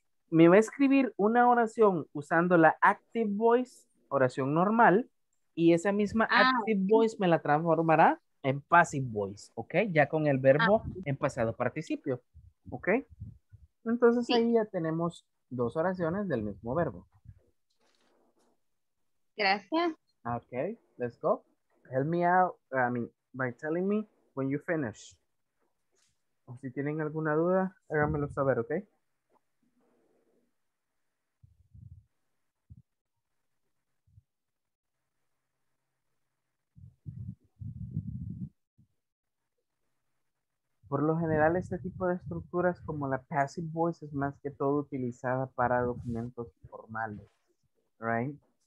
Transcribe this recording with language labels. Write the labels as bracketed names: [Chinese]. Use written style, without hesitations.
[Spanish] Me va a escribir una oración usando la active voice, oración normal, y esa misma active voice me la transformará en passive voice, ¿ok? Ya con el verbo en pasado participio, ¿ok? Entonces ahí ya tenemos dos oraciones del mismo verbo. Gracias. [English] Ok, let's go. Help me out, I mean, by telling me when you finish. [Spanish] O si tienen alguna duda, háganmelo saber, ¿ok? Por lo general, este tipo de estructuras como la passive voice es más que todo utilizada para documentos formales, right?